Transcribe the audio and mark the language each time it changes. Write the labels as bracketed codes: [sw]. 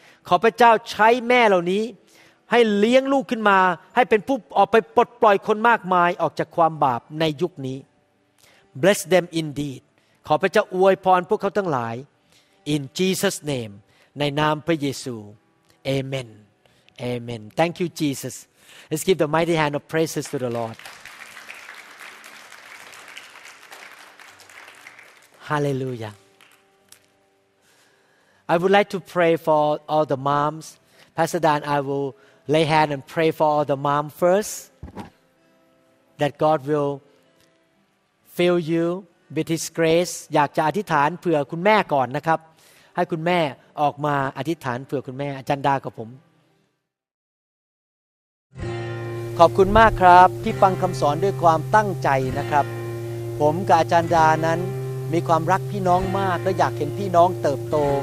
[th] ขอพระเจ้าใช้แม่เหล่านี้ให้เลี้ยงลูกขึ้นมาให้เป็นผู้ออกไปปลดปล่อยคนมากมายออกจากความบาปในยุคนี้ [en] Bless them indeed. [th] ขอพระเจ้าอวยพรพวกเขาทั้งหลาย [en] In Jesus' name, [th] ในนามพระเยซู Amen. [en] Amen. Thank you, Jesus. Let's give the mighty hand of praises to the Lord. Hallelujah. I would like to pray for all the moms. Pastor Dan, I will lay hand and pray for all the moms first. That God will fill you with His grace. [th] อยากจะอธิษฐานเผื่อคุณแม่ก่อนนะครับให้คุณแม่ออกมาอธิษฐานเผื่อคุณแม่อาจารย์ดากับผม ขอบคุณมากครับที่ฟังคำสอนด้วยความตั้งใจนะครับผมกับอาจารย์ดานั้นมีความรักพี่น้องมากและอยากเห็นพี่น้องเติบโต